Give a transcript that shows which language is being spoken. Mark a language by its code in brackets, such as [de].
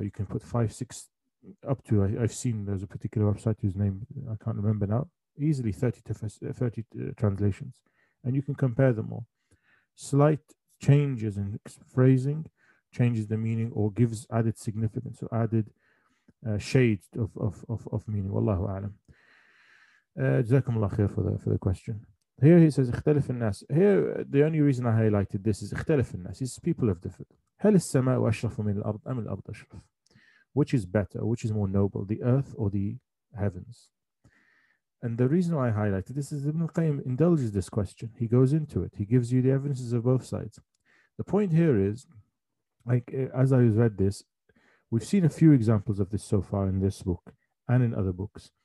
[en] You can put 5, 6 up to, I've seen there's a particular website whose name I can't remember now, easily 30 translations, and you can compare them all. Slight changes in phrasing changes the meaning or gives added significance or added shade of meaning. Wallahu a'lam. Jazakum Allah khair for the question. Here he says, [ar] اختلف الناس. [en] Here, the only reason I highlighted this is [ar] اختلف الناس. [en] It's people have differed. [ar] هل السماء أشرف من الأرض أم الأرض أشرف? [en] Which is better, which is more noble, the earth or the heavens? And the reason why I highlighted this is Ibn al-Qayyim indulges this question. He goes into it. He gives you the evidences of both sides. The point here is, like as I read this, we've seen a few examples of this so far in this book and in other books.